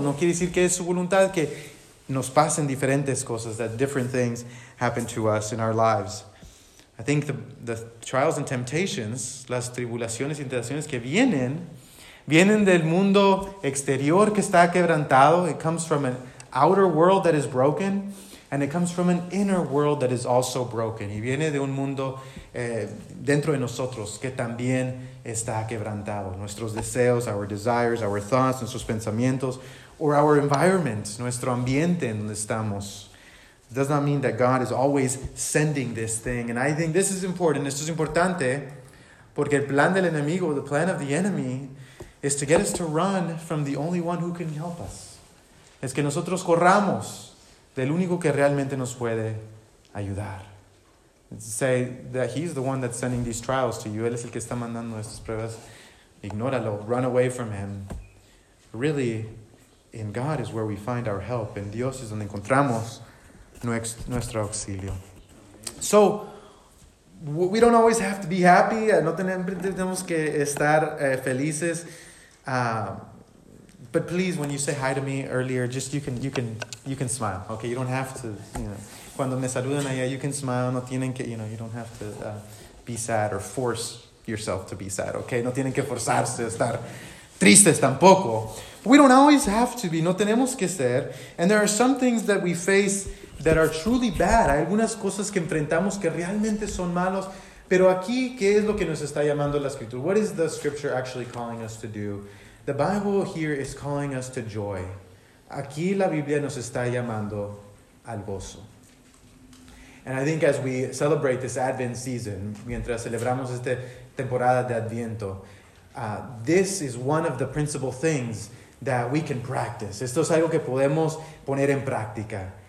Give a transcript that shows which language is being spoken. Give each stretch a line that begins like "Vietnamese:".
Spanish: No quiere decir que es su voluntad que nos pasen diferentes cosas, that different things happen to us in our lives. I think the trials and temptations, las tribulaciones y tentaciones que vienen, vienen del mundo exterior que está quebrantado.
English: It comes from an outer world that is broken, and it comes from an inner world that is also broken.
Spanish: Y viene de un mundo dentro de nosotros que también está quebrantado. Nuestros deseos, our desires, our thoughts, nuestros pensamientos, or our environment, nuestro ambiente en donde estamos.
English: It does not mean that God is always sending this thing. And I think this is important. Esto es importante porque el plan del enemigo, the plan of the enemy, is to get us to run from the only one who can help us.
Spanish: Es que nosotros corramos del único que realmente nos puede ayudar.
English: Say that he's the one that's sending these trials to you.
Spanish: Él es el que está mandando estas pruebas.
English: Ignóralo. Run away from him. Really, in God is where we find our help. En Dios es donde encontramos nuestro auxilio. So, we don't always have to be happy.
Spanish: No tenemos que estar felices.
English: But please, when you say hi to me earlier, just you can smile. Okay, you don't have to, you know. Cuando me saludan allá, you can smile. No tienen que, you know, you don't have to be sad or force yourself to be sad.
Spanish: Okay, no tienen que forzarse a estar tristes tampoco.
English: But we don't always have to be. No tenemos que ser. And there are some things that we face that are truly bad.
Spanish: Hay algunas cosas que enfrentamos que realmente son malos. Pero aquí, ¿qué es lo que nos está llamando la Escritura?
English: What is the Scripture actually calling us to do? The Bible here is calling us to joy.
Spanish: Aquí la Biblia nos está llamando al gozo.
English: And I think as we celebrate this Advent season, mientras celebramos esta temporada de Adviento, this is one of the principal things that we can practice.
Spanish: Esto es algo que podemos poner en práctica.